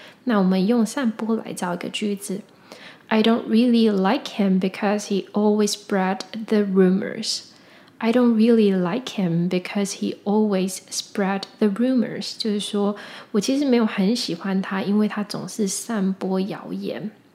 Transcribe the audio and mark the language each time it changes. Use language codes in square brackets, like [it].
[zh] 那我们用散播来造一个句子。 [en] I don't really like him because he always spread the rumors. I don't really like him because he always spread the rumors. [zh] 就是说我其实没有很喜欢他，因为他总是散播谣言。